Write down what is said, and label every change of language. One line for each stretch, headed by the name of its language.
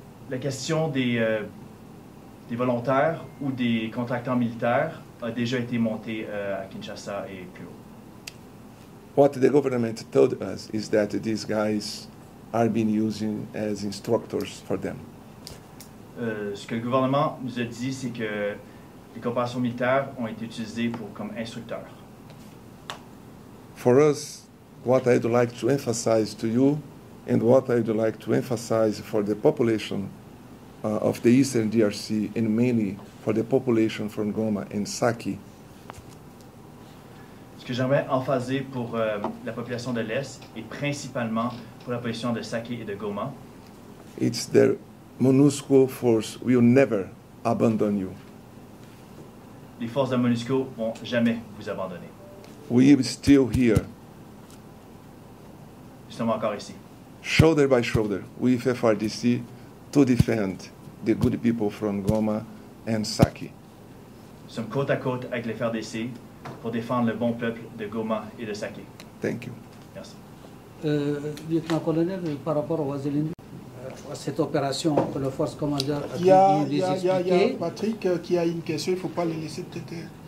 French: La question des volontaires ou des contractants militaires a déjà été montée à Kinshasa et plus haut.
English: What the government told us is that these guys are being used as instructors for them.
French: Ce que le gouvernement nous a dit, c'est que les corporations militaires ont été utilisées pour comme instructeurs.
English: For us, what I'd like to emphasize to you, and what I'd like to emphasize for the population of the Eastern DRC, and mainly for the population from Goma and Saki.
French: Ce que j'aimerais emphasiser pour la population de l'Est et principalement pour la position de Saki et de Goma.
English: It's the MONUSCO force will never abandon you.
French: Les forces de MONUSCO vont jamais vous abandonner.
English: We are still here.
French: Nous sommes encore ici.
English: Shoulder by shoulder with FRDC to defend the good people from Goma and Saki.
French: Nous sommes côte à côte avec les FRDC pour défendre le bon peuple de Goma et de Saki.
English: Thank you.
French: Merci. Lieutenant-colonel, par rapport au Wazilendu, à cette opération que le force commandeur a il y a Patrick qui a une question, il ne faut pas le laisser tête.